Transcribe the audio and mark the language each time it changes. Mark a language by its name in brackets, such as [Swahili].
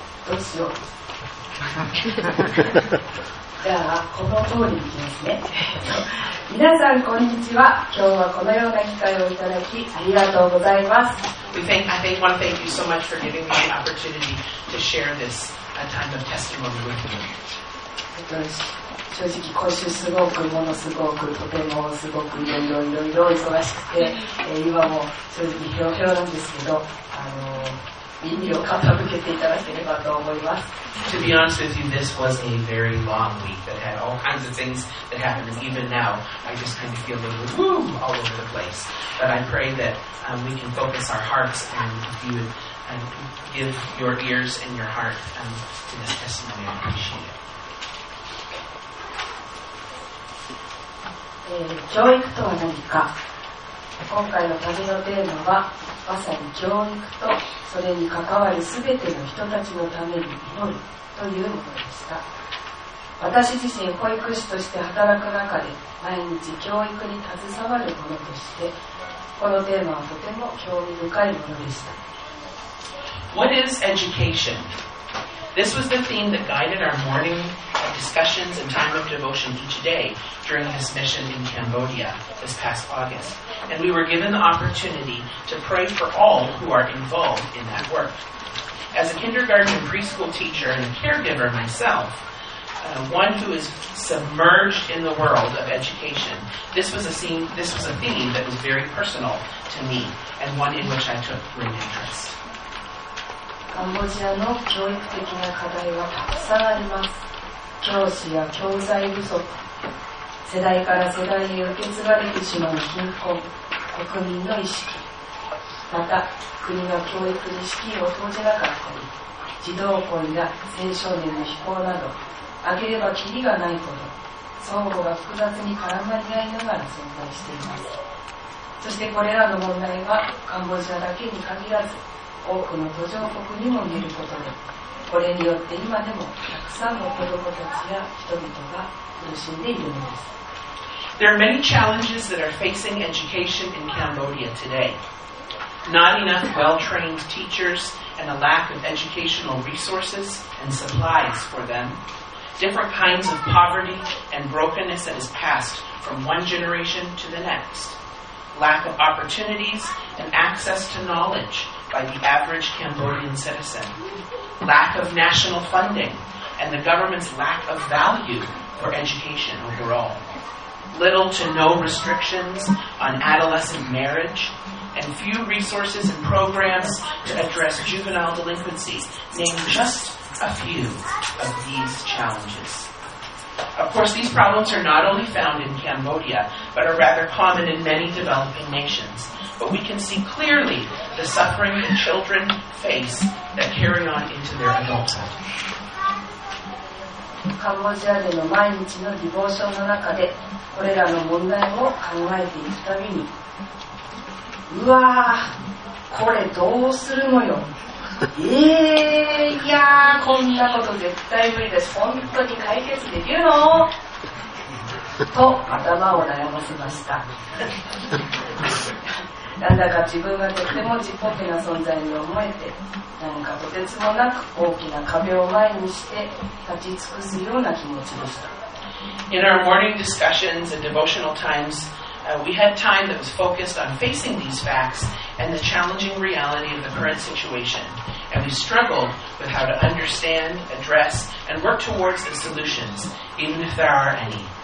[Japanese] どうしようじゃあこの通りいきますね。皆さんこんにちは。今日はこのような機会をいただきありがとうございます。 [English] I want to thank you so much for giving me the opportunity to share this time of testimony with you. [Japanese] 正直今週すごくものすごくとてもすごくいろいろ忙しくて、今も正直ひょうひょうなんですけど、耳を傾けていただければと思います。 [English] To be honest with you, this was a very long week that had all kinds of things that happened, and even now I just kind of feel a little boom all over the place, but I pray that we can focus our hearts and you would give your ears and your heart to this testimony. I appreciate it. [Japanese] 教育とは何か。今回の旅のテーマはまさに教育とそれに関わる全ての人たちのために祈るというものでした。私自身保育士として働く中で毎日教育に携わるものとして、このテーマはとても興味深いものでした。 [English] What is education? This was the theme that guided our morningdiscussions and time of devotion each day during this mission in Cambodia this past August. And we were given the opportunity to pray for all who are involved in that work. As a kindergarten and preschool teacher and a caregiver myself, one who is submerged in the world of education, this was a theme that was very personal to me and one in which I took great interest. [Japanese] カンボジアの教育的な課題はたくさんあります。教師や教材不足、世代から世代へ受け継がれてしまう貧困、国民の意識、また国が教育に資金を投じなかったり、児童婚や青少年の非行など、挙げればキリがないこと、相互が複雑に絡まり合いながら存在しています。そしてこれらの問題はカンボジアだけに限らず、多くの途上国にも見えることで、これによって今でもたくさんの子どもたちや人々が苦しんでいるのです。 [English] There are many challenges that are facing education in Cambodia today. Not enough well-trained teachers and a lack of educational resources and supplies for them. Different kinds of poverty and brokenness that is passed from one generation to the next. Lack of opportunities and access to knowledge. By the average Cambodian citizen, lack of national funding, and the government's lack of value for education overall. Little to no restrictions on adolescent marriage, and few resources and programs to address juvenile delinquency, name just a few of these challenges. Of course, these problems are not only found in Cambodia, but are rather common in many developing nations. But we can see clearly the suffering that children face that carry on into their adulthood. [Japanese] カンボジアでの毎日のディボーションの中で、これらの問題を考えていくたびに、うわー、これどうするのよ。いやー、こんなこと絶対無理です。本当に解決できるの?と頭を悩ませました。なんだか自分がとてもちっぽけな存在に思えて、なんかとてつもなく大きな壁を前にして立ち尽くすような気持ちでした。 [English] In our morning discussions and devotional times, we had time that was focused on facing these facts and the challenging reality of the current situation, and we struggled with how to understand, address, and work towards the solutions, even if there are any.